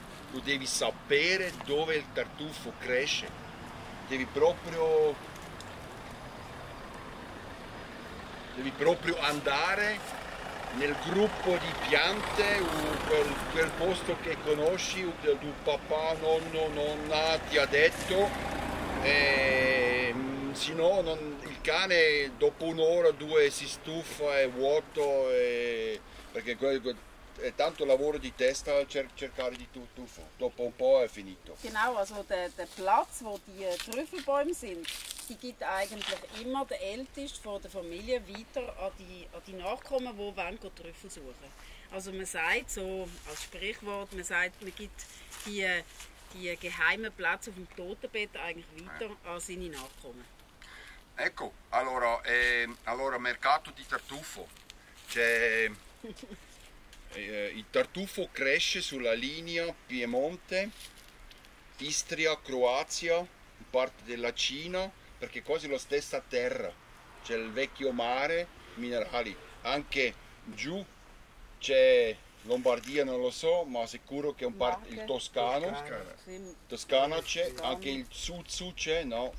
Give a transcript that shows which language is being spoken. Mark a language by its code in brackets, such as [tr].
[it] Tu devi sapere dove il tartufo cresce, devi proprio andare nel gruppo di piante, quel posto che conosci, il tuo papà, nonno, nonna ti ha detto, se no il cane dopo un'ora, due si stufa, è vuoto, perché è tanto lavoro di testa cercare di tartufo, dopo un po' è finito. [de] Genau, also der Platz, wo die Trüffelbäume sind, die gibt eigentlich immer der Älteste von der Familie weiter an die Nachkommen, die wollen Trüffel suchen. Also man sagt so als Sprichwort, man sagt, man gibt die geheimen Plätze auf dem Totenbett eigentlich weiter an seine Nachkommen. [it] Ecco, allora mercato di tartufo. C'è il tartufo cresce sulla linea Piemonte, Istria, Croazia, in parte della Cina, perché è quasi la stessa terra, c'è il vecchio mare, minerali, anche giù c'è Lombardia, non lo so, ma sicuro che è un parte, il Toscano, Toscana c'è, anche il Sud c'è, no?